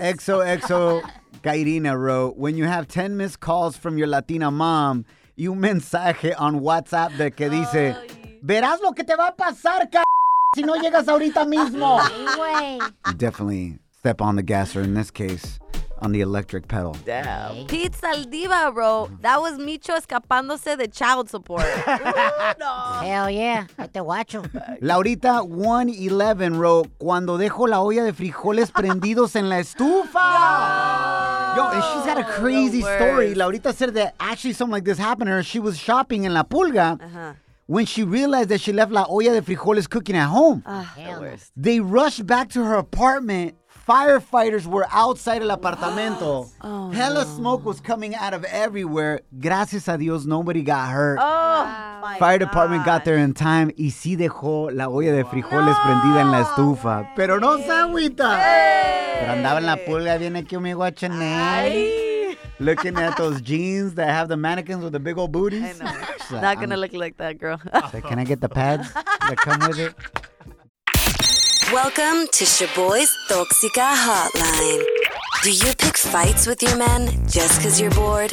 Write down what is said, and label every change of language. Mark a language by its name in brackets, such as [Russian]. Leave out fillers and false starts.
[English] XOXO Gairina wrote, when you have 10 missed calls from your Latina mom, you mensaje on WhatsApp [Spanish] de que dice, verás lo que te va a pasar, si no llegas ahorita mismo. [English] Definitely step on the gas, or in this case, on the electric pedal. Damn. Pete Saldiva wrote, that was Micho [Spanish] escapándose de [English] child support. Ooh, no. Hell yeah. I te watcho. [Spanish] Laurita 111 wrote, cuando dejo la olla de frijoles prendidos en la estufa. [English] Yo, and she's had a crazy story. Laurita said that actually something like this happened to her. She was shopping in La Pulga. Uh-huh. When she realized that she left [Spanish] la olla de frijoles [English] cooking at home. They rushed back to her apartment. Firefighters were outside [Spanish] el apartamento. [English] Oh, hella no. Smoke was coming out of everywhere. [Spanish] Gracias a Dios, [English] nobody got hurt. Oh, wow. Fire department got there in time. [Spanish] Y sí dejó la olla de frijoles prendida en la estufa. Pero no se agüita. Pero andaba en la pulga, viene aquí mi guachanel. [English] Looking at those jeans that have the mannequins with the big old booties. I know. Not going to look like that, girl. Like, can I get the pads that come with it? Welcome to Shaboy's Toxica Hotline. Do you pick fights with your men just because you're bored?